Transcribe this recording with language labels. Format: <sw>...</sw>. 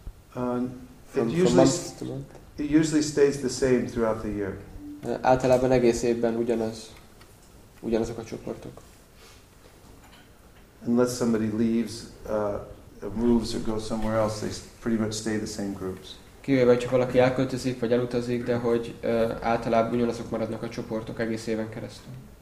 <en>from month to month? It usually stays the same throughout the year.</en> <hu>Általában egész évben ugyanazok a csoportok.</hu> <en>Unless somebody leaves, moves or goes somewhere else, they pretty much stay the same groups.</en> <hu>Kivéve, hogyha valaki elköltözik vagy elutazik, de hogy általában ugyanazok maradnak a csoportok egész éven keresztül.</hu>